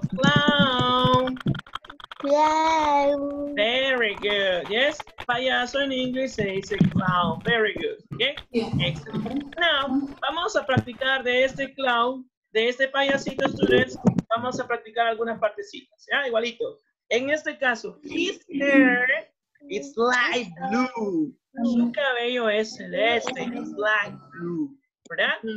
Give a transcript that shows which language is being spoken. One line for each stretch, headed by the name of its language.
English: Clown. Clown. Very good, yes.
Spanish: Payaso en inglés se dice clown.
English: Very good, okay. Excellent.
Spanish: Now, vamos a practicar de este clown, de este payasito,
English: students.
Spanish: Vamos a practicar algunas partecitas, ¿ya? Igualito. En este caso,
English: his hair is light blue.
Spanish: Su cabello es celeste,
English: it's light blue,
Spanish: ¿verdad?